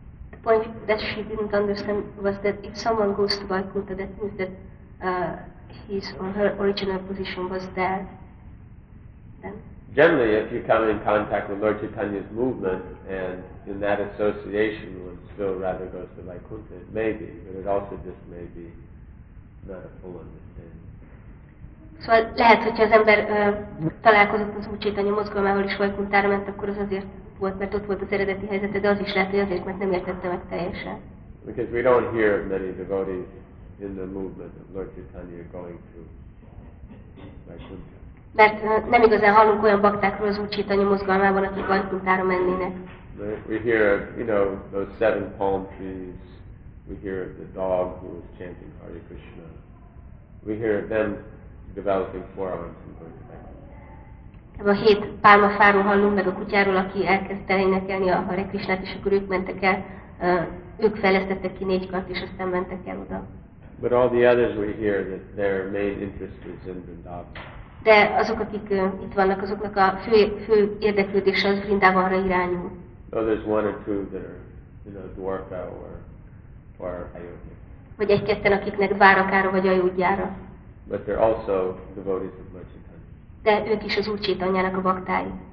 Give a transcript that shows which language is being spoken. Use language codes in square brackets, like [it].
[en] The point that she didn't understand was that if someone goes to Vaikuntha, that means that his or her original position was there, then? Generally, if you come in contact with Lord Chaitanya's movement and in that association one still rather goes to Vaikuntha, it may be, but it also just may be not a full understanding. [hu] Szóval lehet, hogyha az ember találkozott az Úr Chaitanya mozgalmával is Vaikunthára ment, akkor az azért volt, mert ott volt az eredeti helyzete, de az is lehet, hogy azért, mert nem értette meg teljesen. [en] Because we don't hear many devotees in the movement of Lord Chaitanya going to Vaikuntha. [hu] Mert nem igazán hallunk olyan baktákról az Úr Chaitanya mozgalmában, akik Vaikunthára mennének. [en] We hear of, you know, those seven palm trees. We hear of the dog who is chanting Hare Krishna. We hear of them developing forearms and going to Vaikuntha. [hu] A hét pálmafáról hallunk, meg a kutyáról, aki elkezdte elénekelni a Hare Krishnát, és akkor ők mentek el. Ők fejlesztettek ki négy kart, és aztán mentek el oda. [en] But all the others we hear that their main interest is in Vrindavan. [hu] De azok, akik itt vannak, azoknak a fő érdeklődése az Vrindavanra irányul. [en] Though there's one or two that are, you know, Dwarka or Ayodhya. [hu] Vagy egy-ketten, akiknek Dwarakára vagy Ayodhyára. [en] But they're also devotees of Lord Chaitanya. [hu] De ők is az Úr Chaitanyának a baktái.